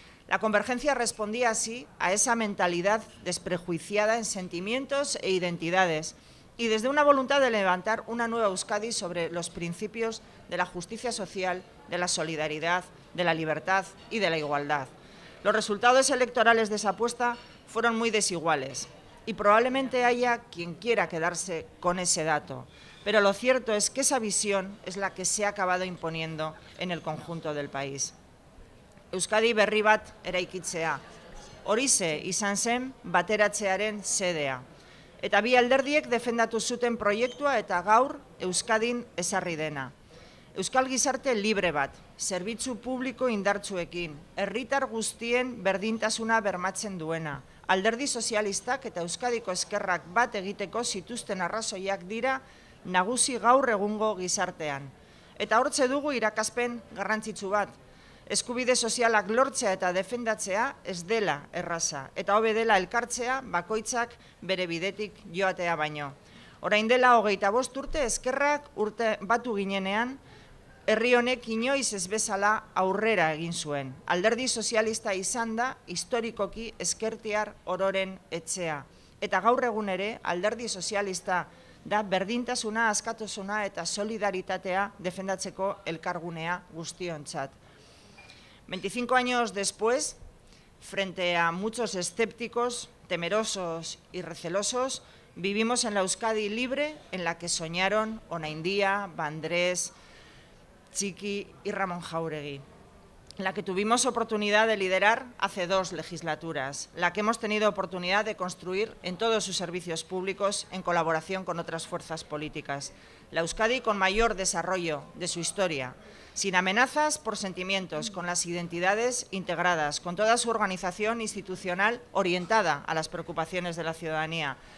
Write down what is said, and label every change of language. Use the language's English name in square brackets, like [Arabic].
[Spanish] La convergencia respondía así a esa mentalidad desprejuiciada en sentimientos e identidades y desde una voluntad de levantar una nueva Euskadi sobre los principios de la justicia social, de la solidaridad, de la libertad y de la igualdad. Los resultados electorales de esa apuesta fueron muy desiguales y probablemente haya quien quiera quedarse con ese dato, pero lo cierto es que esa visión es la que se ha acabado imponiendo en el conjunto del país. [Basque] Euskadi berri bat eraikitzea, horixe izan zen bateratzearen sedea. Eta bi alderdiek defendatu zuten proiektua eta gaur Euskadin ezarri dena. Euskal gizarte libre bat, zerbitzu publiko indartsuekin, herritar guztien berdintasuna bermatzen duena, alderdi sozialistak eta Euskadiko Ezkerrak bat egiteko zituzten arrazoiak dira nagusi gaur egungo gizartean. Eta hortze dugu irakaspen garrantzitsu bat, eskubide sozialak lortzea eta defendatzea ez dela erraza, eta hobe dela elkartzea bakoitzak bere bidetik joatea baino. Orain dela 25 urte Ezkerrak urte batu ginenean, herri honek inoiz ez bezala aurrera egin zuen. Alderdi sozialista izan da historikoki ezkertiar ororen etxea. Eta gaur egun ere alderdi sozialista da berdintasuna, askatasuna eta solidaritatea defendatzeko elkargunea guztiontzat. [Spanish] 25 años después, frente a muchos escépticos, temerosos y recelosos, vivimos en la Euskadi libre en la que soñaron Onaindia, Bandrés, Txiki y Ramón Jáuregui, la que tuvimos oportunidad de liderar hace dos legislaturas, la que hemos tenido oportunidad de construir en todos sus servicios públicos en colaboración con otras fuerzas políticas, la Euskadi con mayor desarrollo de su historia, sin amenazas por sentimientos, con las identidades integradas, con toda su organización institucional orientada a las preocupaciones de la ciudadanía.